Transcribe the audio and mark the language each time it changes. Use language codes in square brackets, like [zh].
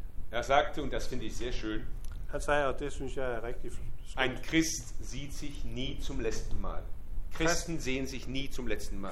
[de] Er sagte, und das finde ich sehr schön. [da] Han sagde, og det synes jeg er rigtig skønt. [de] Ein Christ sieht sich nie zum letzten Mal. Christen sehen sich nie zum letzten Mal.